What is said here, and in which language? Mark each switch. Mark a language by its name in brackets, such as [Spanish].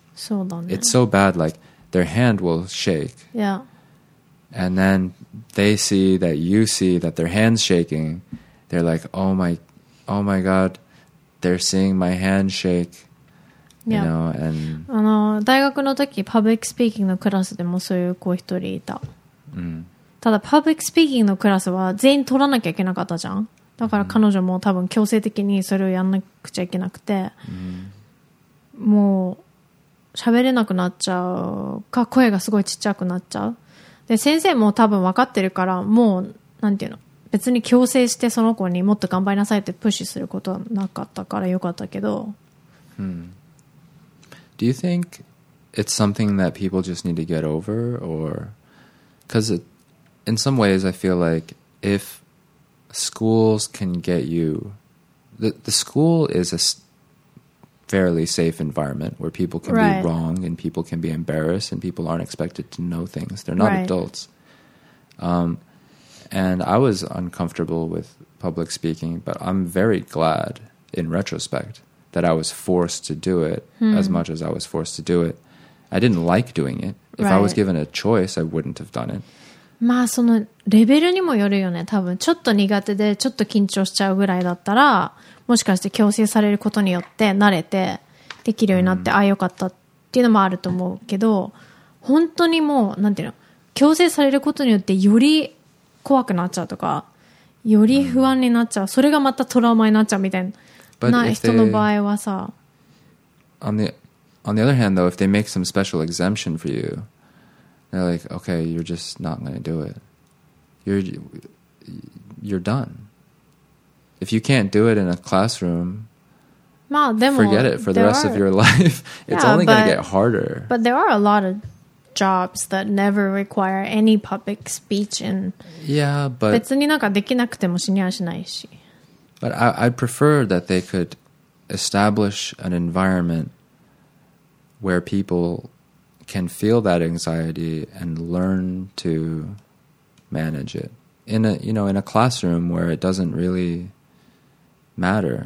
[English] so done it's so bad like their hand will shake and then they see that you see that their hand's shaking, they're like, oh my God, they're seeing my hand shake, you know, and... [Japanese] 大学の時、パブリックスピーキングのクラスでもそういう子一人いた。ただ、パブリックスピーキングのクラスは全員取らなきゃいけなかったじゃん。だから彼女も多分強制的にそれをやんなくちゃいけなくて、もう喋れなくなっちゃうか、声がすごいちっちゃくなっちゃう。で先生も多分分かってるから、もうなんていうの、別に強制してその子にもっと頑張りなさいってプッシュすることはなかったからよかったけど、 [English] Do you think it's something that people just need to get over? Or because in some ways, I feel like if schools can get you, the school is a fairly safe environment where people can be wrong and people can be embarrassed and people aren't expected to know things. They're not adults. And I was uncomfortable with public speaking, but I'm very glad in retrospect that I was forced to do it as much as I was forced to do it. I didn't like doing it. If I was given a choice, I wouldn't have done it. [Japanese] まあそのレベルにもよるよね。多分ちょっと苦手でちょっと緊張しちゃうぐらいだったら、もしかして強制されることによって慣れてできるようになって、ああよかったっていうのもあると思うけど、本当にもうなんていうの、強制されることによってより怖くなっちゃうとか、より不安になっちゃう。それがまたトラウマになっちゃうみたいな。 [English] But if they, [Japanese] 人の場合はさ、 [English] on the other hand though, if they make some special exemption for you, they're like, okay, you're just not going to do it. You're done. If you can't do it in a classroom, forget it for the rest of your life. It's only going to get harder. But there are a lot of jobs that never require any public speech. And yeah, but [Japanese] 別になんかできなくても死にはしないし。 [English] But I'd prefer that they could establish an environment where people can feel that anxiety and learn to manage it. In a classroom where it doesn't really matter.